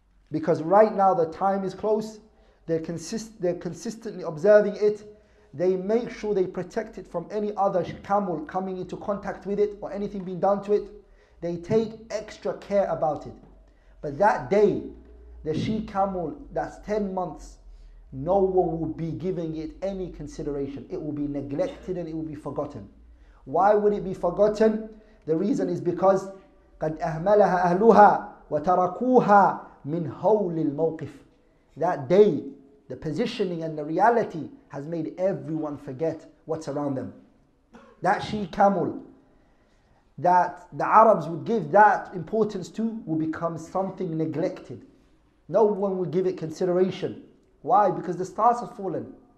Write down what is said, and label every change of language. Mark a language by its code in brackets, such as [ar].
[en] Because right now the time is close, they're consistently observing it, they make sure they protect it from any other camel coming into contact with it or anything being done to it. They take extra care about it. But that day, the she-camel that's 10 months, no one will be giving it any consideration. It will be neglected and it will be forgotten. Why would it be forgotten? The reason is because [ar] قَدْ أَهْمَلَهَا أَهْلُهَا وَتَرَكُوهَا مِنْ هَوْلِ الْمَوْقِفِ [en] That day, the positioning and the reality has made everyone forget what's around them. That she camel that the Arabs would give that importance to will become something neglected. No one will give it consideration. Why? Because the stars have fallen.